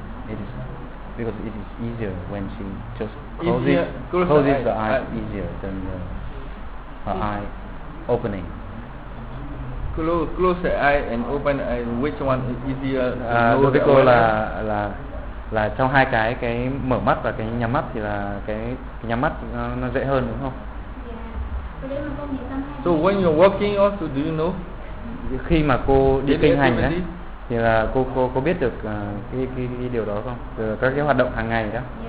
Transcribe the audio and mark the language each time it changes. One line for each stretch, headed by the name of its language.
English: It is because it is easier when she just closes the eye easier than her eye opening. Close the eye and open eye, which one is easier?
Vietnamese: Đối với cô là là trong hai cái mở mắt và cái nhắm mắt thì là cái nhắm mắt nó dễ hơn đúng không?
English: So when you're walking also do you know?
Vietnamese: Khi mà cô đi kinh hành đấy thì là cô biết được cái điều đó không? Từ các cái hoạt động hàng ngày đó.